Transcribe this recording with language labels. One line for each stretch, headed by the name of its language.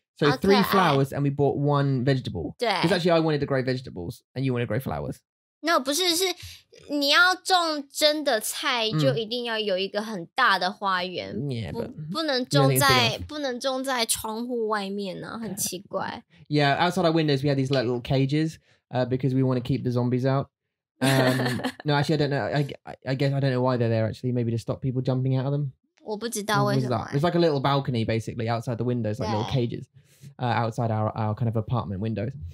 English: So three flowers and we bought one vegetable.
Chinese: 对
English: Because actually I wanted to grow vegetables and you wanted to grow flowers. No,
Chinese: 不是是你要种真的菜就一定要有一个很大的花园
English: Yeah, but
Chinese: 不能种在窗户外面呢很奇怪
English: Yeah, outside our windows we had these little cages because we want to keep the zombies out. no, actually I don't know. I guess I don't know why they're there actually. Maybe to stop people jumping out of them.
Chinese: 我不知道为什么。
English: It's like a little balcony, basically, outside the windows, like little cages, outside our kind of apartment windows.